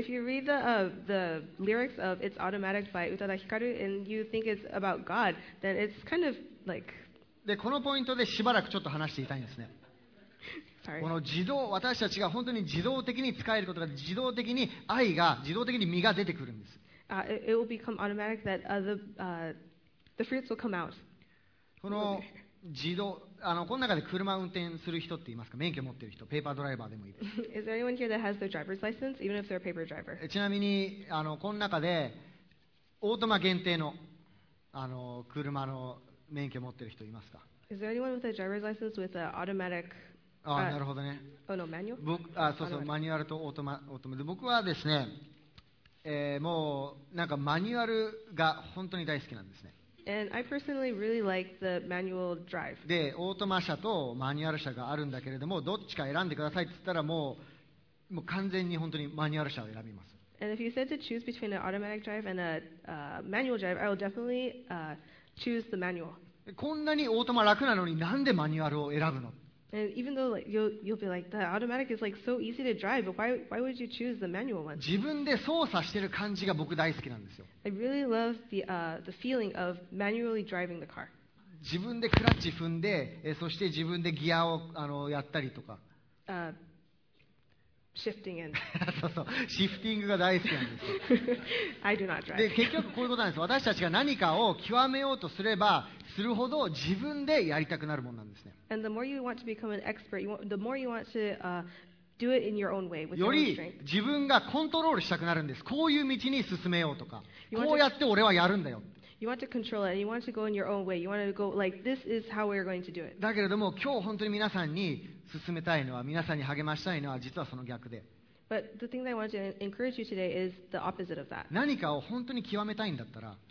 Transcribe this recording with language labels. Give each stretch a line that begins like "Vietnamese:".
English: If you read the lyrics of It's Automatic by 宇多田ヒカル and you think it's about God, then it's kind of like...
Japanese: で、このポイントでしばらくちょっと話していたいんですね。この自動、私たちが本当に自動的に使えることが自動的に愛が自動的に実が出てくるんです。
English: It will become automatic that the fruits will come out.
Japanese: この自動、この中で車を運転する人っていますか、免許持ってる人、ペーパードライバーでもいいです。
English: Is there anyone here that has their driver's license, even if they're a paper driver?
Japanese: ちなみにこの中でオートマ限定の車の免許持ってる人いますか。
English: Is there anyone with a driver's license with an automatic?
Japanese: ああなるほどね。マニュアルとオートマで僕はですね、もうなんかマニュアルが本当に大好きなんですね。
English: And I personally really like the manual drive.
Japanese: で、オートマ車とマニュアル車があるんだけれども、どっちか選んでくださいって言ったらもう完全に本当にマニュアル車を選びます。
English: And if you said to choose between an automatic drive and a manual drive, I will definitely choose the manual.
Japanese: こんなにオートマ楽なのになんでマニュアルを選ぶの？
English: And even though like, you'll be like, the automatic is like so easy to drive, but why would you choose the manual one?
Japanese: 自分で操作してる感じが僕大好きなんですよ。
English: I really love the feeling of manually driving the car.
Japanese: 自分でクラッチ踏んで、そして自分でギアをやったりとか。
English: Shifting in.
Japanese: そうそう、シフティングが大好きなんですよ。
English: I do not drive.
Japanese: で、結局こういうことなんです。私たちが何かを極めようとすれば、するほど自分でやりたくなるものなんですね。
English: And the more you want to become an expert, the more you want to do it in your own way, with
Japanese: より自分がコントロールしたくなるんです。こういう道に進めようとか、こうやって俺はやるんだよ。
English: You want to control it and you want to go in your own way. You want to go like this is how we're going to do it.
Japanese: だけれども今日本当に皆さんに勧めたいのは、皆さんに励ましたいのは実はその逆で。
English: But the thing that I want to encourage you today is the opposite of that.
Japanese: 何かを本当に極めたいんだったら、